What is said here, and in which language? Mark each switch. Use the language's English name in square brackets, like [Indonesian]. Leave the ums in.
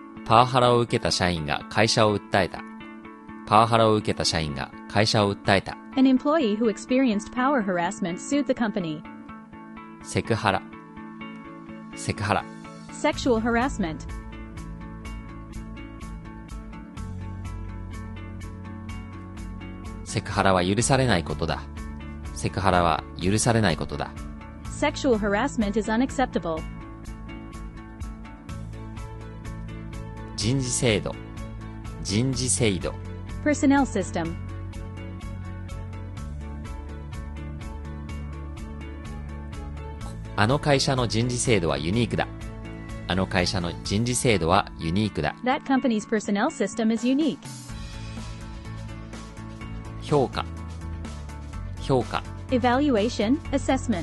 [Japanese] パワハラを受けた社員が会社を訴えた。パワハラを受けた社員が会社を訴えた。 [English] An employee who experienced power harassment sued the company. [Japanese] セクハラ。セクハラ。 [English] Sexual harassment. [Japanese] セクハラは許されないことだ。セクハラは許されないことだ。 [English] Sexual harassment is unacceptable. harassment [Japanese] 人事制度人事制度 [English] personnel system [Japanese] 会社の人事制度はユニークだあの会社の人事制度はユニークだ [English] That company's personnel system is unique. [Japanese] 評価評価 [English] Evaluation, assessment.